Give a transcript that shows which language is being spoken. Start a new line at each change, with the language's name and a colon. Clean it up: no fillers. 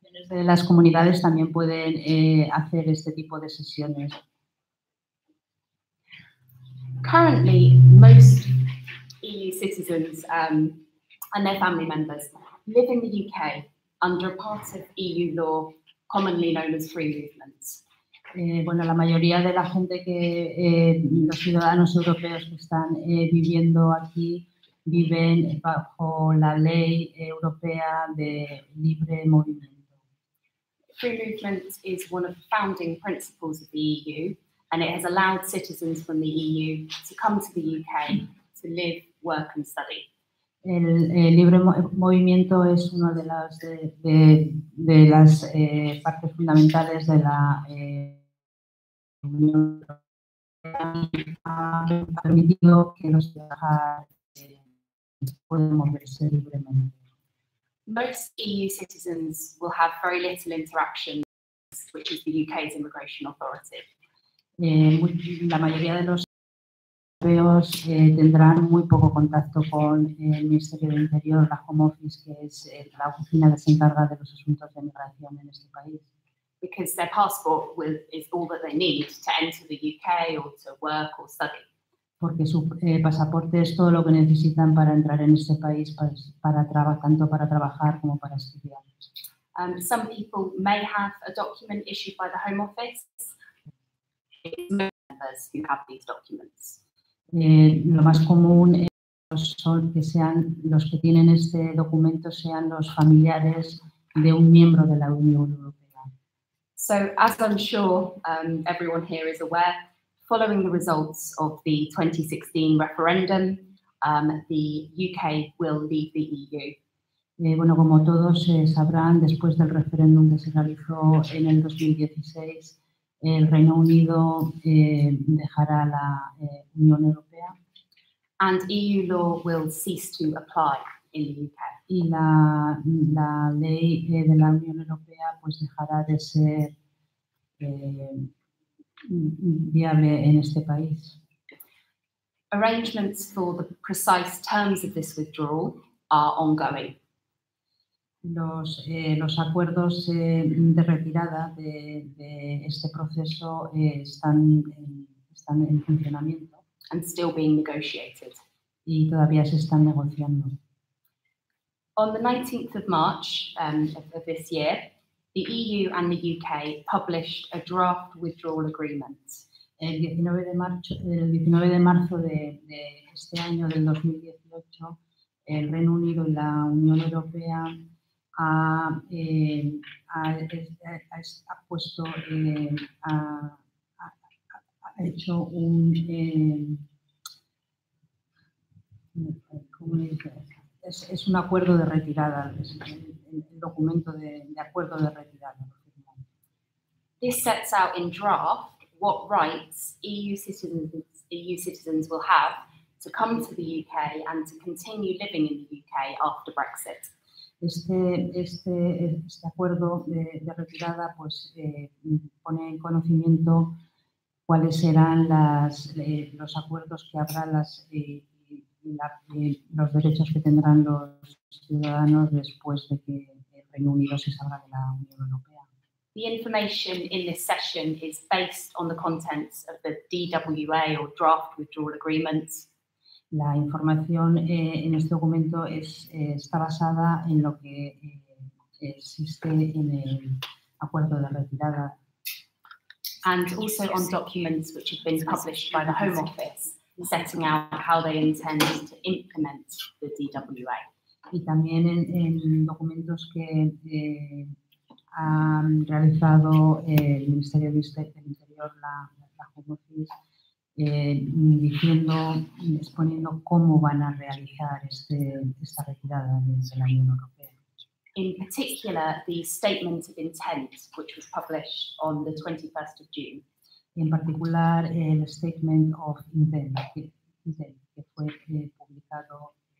Spanish: De las comunidades también pueden hacer este tipo de sesiones.
English: Currently, most EU citizens and their family members live in the UK under a part of EU law commonly known as free movements.
Spanish: Bueno, la mayoría de la gente que los ciudadanos europeos que están viviendo aquí viven bajo la ley europea de libre movimiento.
English: Free movement is one of the founding principles of the EU, and it has allowed citizens from the EU to come to the UK to live, work, and study.
Spanish: El libre movimiento es una de las partes fundamentales de la Unión Europea, ha permitido que los viajeros puedan moverse libremente.
English: Most EU citizens will have very little interaction, which is the UK's immigration authority.
Spanish: La mayoría de los europeos tendrán muy poco contacto con el Ministerio del Interior, la Home Office, que es la oficina que se encarga de los asuntos de inmigración en este país.
English: Because their passport is all that they need to enter the UK or to work or study.
Spanish: Porque su pasaporte es todo lo que necesitan para entrar en este país, tanto para trabajar como para estudiar.
English: Some people may have a document issued by the Home Office. It's members who have these documents.
Spanish: Lo más común son que sean los que tienen este documento sean los familiares de un miembro de la Unión Europea.
English: So, as I'm sure everyone here is aware, following the results of the 2016 referendum, the UK will leave the EU.
Spanish: Bueno, como todos sabrán, después del referéndum que se realizó en el 2016, el Reino Unido dejará la Unión Europea.
English: And EU law will cease to apply in the UK.
Spanish: Y la ley de la Unión Europea pues dejará de ser viable en este país.
English: Arrangements for the precise terms of this withdrawal are ongoing.
Spanish: Los acuerdos de retirada de este proceso están en funcionamiento.
English: And still being negotiated.
Spanish: Y todavía se están negociando.
English: On the 19th of March of this year, the EU and the UK published a draft withdrawal agreement.
Spanish: El 19 de marzo de este año, del 2018, el Reino Unido y la Unión Europea ha hecho un ¿cómo dice? Es un acuerdo de retirada, es el documento de acuerdo de retirada.
English: This sets out in draft what rights EU citizens will have to come to the UK and to continue living in the UK after Brexit.
Spanish: Este acuerdo de retirada pues pone en conocimiento cuáles serán los acuerdos que habrá los derechos que tendrán los ciudadanos después de que el Reino Unido se salga de la Unión Europea.
English: The information in this session is based on the contents of the DWA or draft withdrawal agreements.
Spanish: La información en este documento está basada en lo que existe en el acuerdo de retirada.
English: And also on documents which have been published by the Home Office, setting out how they intend to implement the DWA.
Spanish: Y también en documentos que han realizado el Ministerio del Interior, la Home Office, exponiendo cómo van a realizar esta retirada desde la Unión Europea.
English: In particular, the statement of intent, which was published on the 21st of June.
Spanish: En particular, el
English: statement of intent,
Spanish: que fue publicado.